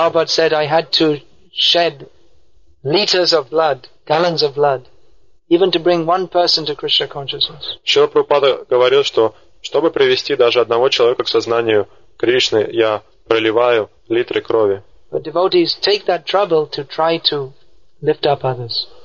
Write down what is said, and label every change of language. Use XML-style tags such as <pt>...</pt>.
<en>Prabhupada said, I had to shed liters of blood, gallons of blood, even to bring one person to Krishna consciousness.</en> <ru>Шрила Прабхупада говорил, что чтобы привести даже одного человека к сознанию Кришны, я проливаю литры крови.</ru> <en>But devotees take that trouble to try to lift up others.</en>